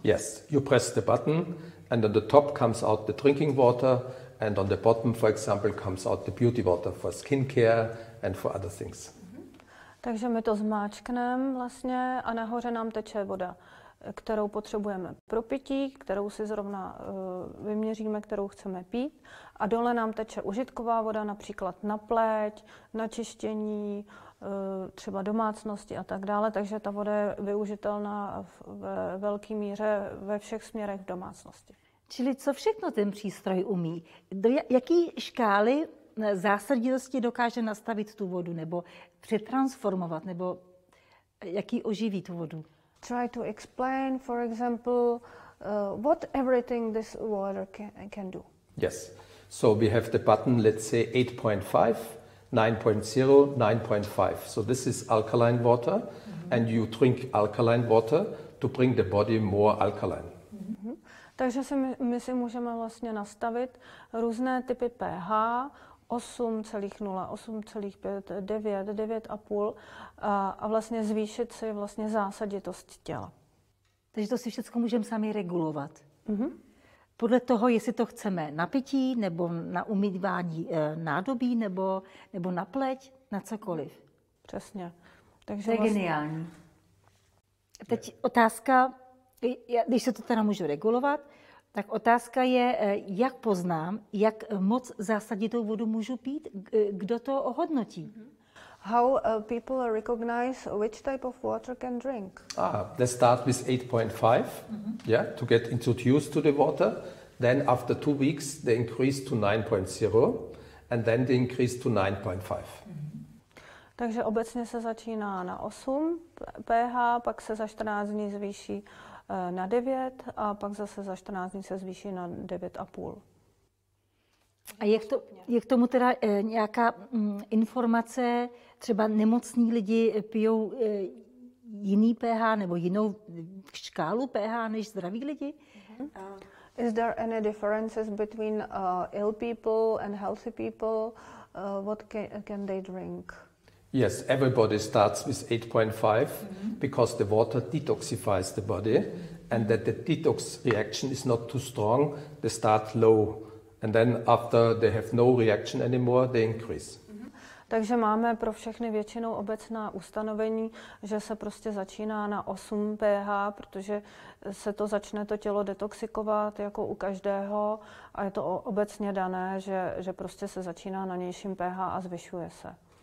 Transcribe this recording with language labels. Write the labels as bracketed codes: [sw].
[en] Yes, you press the button and on the top comes out the drinking water and on the bottom, for example, comes out the beauty water for skincare and for other things. [cs] Takže my to zmáčkneme vlastně a nahoře nám teče voda, kterou potřebujeme pro pití, kterou si zrovna vyměříme, kterou chceme pít, a dole nám teče užitková voda, například na pleť, na čištění, třeba domácnosti a tak dále, takže ta voda je využitelná ve velké míře ve všech směrech v domácnosti. Čili co všechno ten přístroj umí? Do jaký škály zásaditosti dokáže nastavit tu vodu nebo přetransformovat, nebo jaký oživí tu vodu? [en] Try to explain, for example, what everything this water can do. Yes, so we have the button, let's say 8.5, 9.0, 9.5. So this is alkaline water, mm-hmm. and you drink alkaline water to bring the body more alkaline. Mm-hmm. [cs] Takže my si můžeme vlastně nastavit různé typy pH, 8,0, 8,5, 9, 9,5 a vlastně zvýšit si vlastně zásaditost těla. Takže to si všechno můžeme sami regulovat. Mm-hmm. Podle toho, jestli to chceme na pití, nebo na umývání nádobí, nebo na pleť, na cokoliv. Přesně. Takže to je vlastně geniální. Teď otázka, Když se to teda můžu regulovat, tak otázka je, jak poznám, jak moc zásaditou vodu můžu pít, kdo to ohodnotí? [en] How people recognize which type of water can drink? Let's start with 8.5, yeah, to get introduced to the water. Then after 2 weeks, they increase to 9.0, and then they increase to 9.5. [cs] Takže obecně se začíná na 8 pH, pak se za 14 dní zvýší na 9 a pak zase za 14 dní se zvýší na 9,5. A je k tomu teda nějaká informace, třeba nemocní lidi pijou jiný pH nebo jinou škálu pH než zdraví lidi? [en] Is there any differences between ill people and healthy people? What can they drink? Yes, everybody starts with 8.5 because the water detoxifies the body and that the detox reaction is not too strong, they start low. And then after they have no reaction anymore, they increase. [cs] Takže máme pro všechny většinou obecná ustanovení, že se prostě začíná na 8 pH, protože se to začne to tělo detoxikovat jako u každého a je to obecně dané, že prostě se začíná na nižším pH a zvyšuje se.